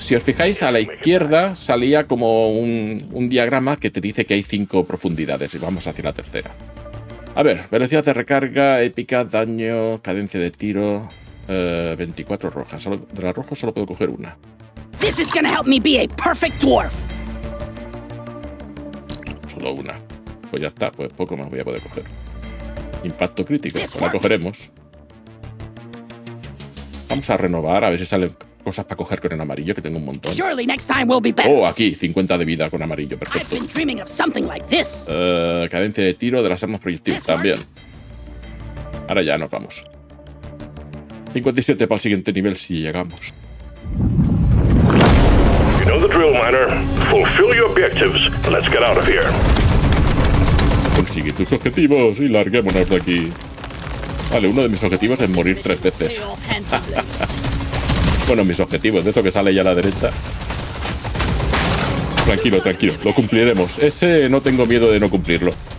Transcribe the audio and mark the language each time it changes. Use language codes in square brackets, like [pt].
[es] Si os fijáis, a la izquierda salía como un diagrama que te dice que hay 5 profundidades. Y vamos hacia la tercera. A ver, velocidad de recarga, épica, daño, cadencia de tiro. 24 rojas. De las rojas solo puedo coger una. [en] This is gonna help me be a perfect dwarf. [es] Solo una. Pues ya está, pues poco más voy a poder coger. Impacto crítico, la cogeremos. Vamos a renovar, a ver si salen cosas para coger con el amarillo, que tengo un montón. Oh, aquí, 50 de vida con amarillo, perfecto. Cadencia de tiro de las armas proyectiles también. Ahora ya nos vamos. 57 para el siguiente nivel si llegamos. [en] You know the drill, Miner. Fulfill your objectives. Let's get out of here. [es] Consigue tus objetivos y larguémonos de aquí. Vale, uno de mis objetivos es morir 3 veces. Bueno, mis objetivos, de eso que sale ya a la derecha. Tranquilo, tranquilo, lo cumpliremos. Ese no tengo miedo de no cumplirlo.